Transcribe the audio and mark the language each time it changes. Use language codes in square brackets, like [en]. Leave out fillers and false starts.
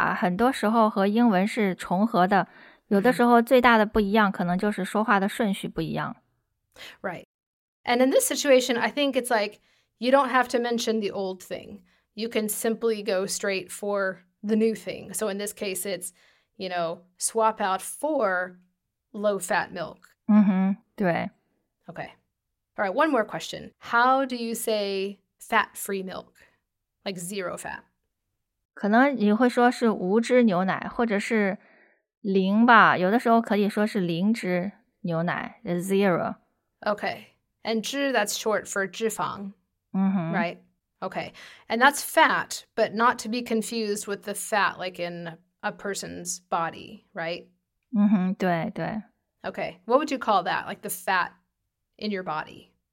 [zh] 对对,其实在中文的语法很多时候和英文是重合的, 有的时候最大的不一样可能就是说话的顺序不一样。 [en] Right. And in this situation, I think it's like, you don't have to mention the old thing. You can simply go straight for the new thing. So in this case, it's, you know, swap out for low-fat milk. [zh] Mm-hmm, 对。 [en] Okay. All right, one more question. How do you say fat-free milk, like zero fat. [zh] 可能你会说是无脂牛奶,或者是零吧, 有的时候可以说是零脂牛奶, [en] zero. Okay, and 脂, that's short for 脂肪, mm-hmm. right? Okay, and that's fat, but not to be confused with the fat like in a person's body, right? [zh] Mm-hmm, 对,对. [en] Okay, what would you call that, like the fat in your body?